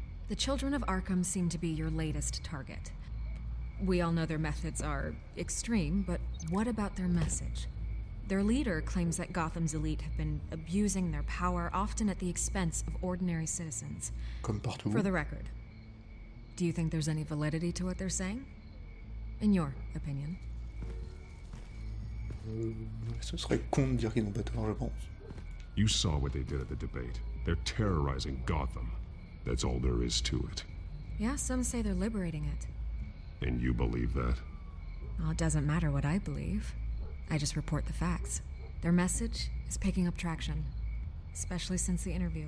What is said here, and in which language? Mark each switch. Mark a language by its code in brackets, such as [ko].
[en] The Children of Arkham seem to be your latest target. We all know their methods are extreme, but what about their message? Their leader claims that Gotham's elite have been abusing their power, often at the expense of ordinary citizens. [fr] Comme partout. [en] For the record, do you think there's any validity to what they're saying? In your opinion? [fr] Ce serait con de dire qu'ils n'ont pas tort, je pense. [en] You saw what they did at the debate. They're terrorizing Gotham. That's all there is to it. Yeah, some say they're liberating it. And you believe that? Well, it doesn't matter what I believe. I just report the facts. Their message is picking up traction, especially since the interview.